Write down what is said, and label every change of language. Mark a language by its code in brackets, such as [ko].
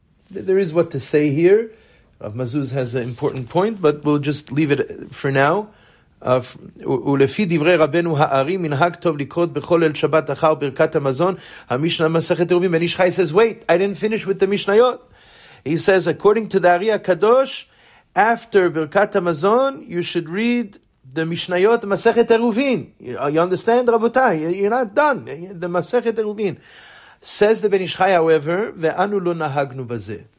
[en] There is what to say here. Rav Mazuz has an important point, but we'll just leave it for now. [he] ולפי דברי רבנו הארי, מנהג טוב לקרות בכל ליל שבת אחר ברכת המזון, המשנה מסכת עירובין, בן איש חי [en] says, wait, I didn't finish with the Mishnayot. He says, according to the Ari HaKadosh, after Birkat HaMazon, you should read the Mishnayot Masechet Eruvin. You understand, Rabotai? You're not done. The Masechet Eruvin. Says the Ben Ish Chai, however, [he] Ve'anu lo nahagnu bazet.